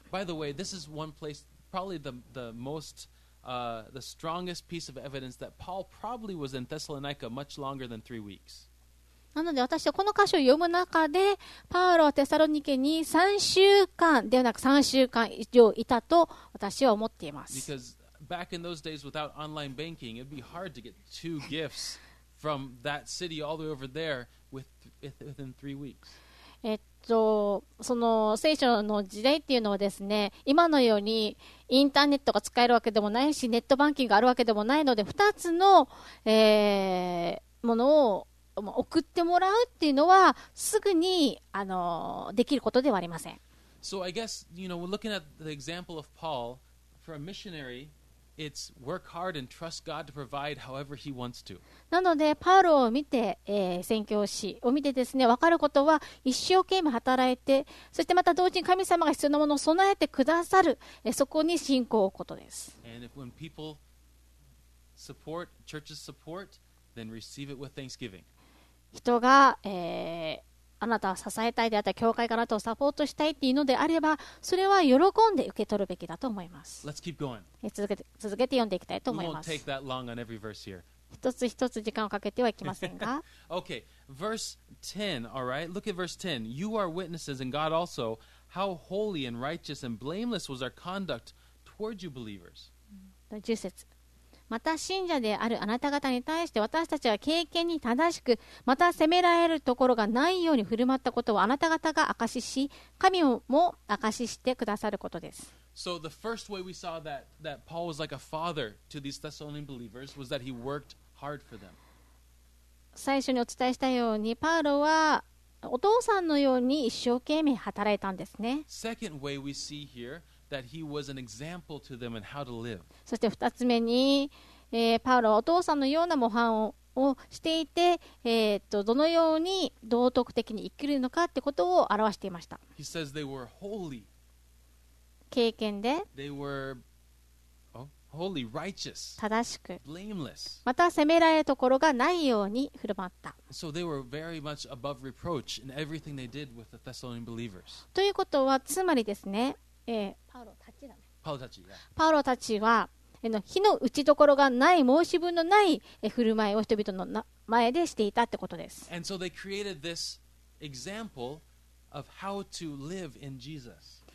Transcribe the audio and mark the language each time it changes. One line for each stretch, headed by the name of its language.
English: By the way, this is one place, probably the most,the strongest piece of evidence that Paul probably was in Thessalonica much longer than three weeks.
Japanese: なので私はこの箇所を読む中で、パウロはテサロニケに3週間ではなく3週間以上いたと私は思っています。
English: Because back in those days without online banking, it'd be hard to get two gifts from that city all the way over there within three weeks.
Japanese: その聖書の時代っていうのはですね、今のようにインターネットが使えるわけでもないし、ネットバンキングがあるわけでもないので、2つの、ものを送ってもらうっていうのはすぐにできることではありません。
English: So I guess, you know, looking at the example of Paul, for a missionary, it's work hard and trust God to provide however he wants to.
Japanese: なのでパウロを見て、宣教師を見てですね、分かることは、一生懸命働いて、そしてまた同時に神様が必要なものを備えてくださる、そこに信仰を置くことです。
English: And if when people support, churches support, then receive it with thanksgiving.
Japanese: 人が、あなたを支えたいであったり、教会があなたをサポートしたいっていうのであれば、それは喜んで受け取るべきだと思います。
English: Let's keep going.
Japanese: 続けて読んでいきたいと思います。
English: We won't take that long on every verse here.
Japanese: 一つ一つ時間をかけてはいきませんが
English: Okay, verse 10, all right. Look at verse 10. You are witnesses and God also, how holy and righteous and blameless was our conduct toward you believers.
Japanese: 10節。また信者であるあなた方に対して私たちは経験に正しく、また責められるところがないように振る舞ったことをあなた方が証しし、神も証ししてくださることです。
English: So the first way we saw that, that Paul was like a father to these Thessalonian believers was that he worked hard for them.
Japanese: 最初にお伝えしたようにパウロはお父さんのように一生懸命働いたんですね。
English: Second way we see here that he was an example to them in how to live.
Japanese: そして二つ目に、パウロはお父さんのような模範をしていて、どのように道徳的に生きるのかってことを表していました。
English: He says they were holy.
Japanese: 経験で
English: They were, holy, righteous,
Japanese: 正しく
English: blameless.
Japanese: また責められるところがないように振る舞った。
English: So they were very much above reproach in everything they did with the Thessalonian believers.
Japanese: ということはつまりですね、パウロたちだね。パウロたち、yeah. パウロたちは火の打ちどころがない申し分のない振る舞いを人々の前でしていたってことです。
English: And so they created this example of how to live in Jesus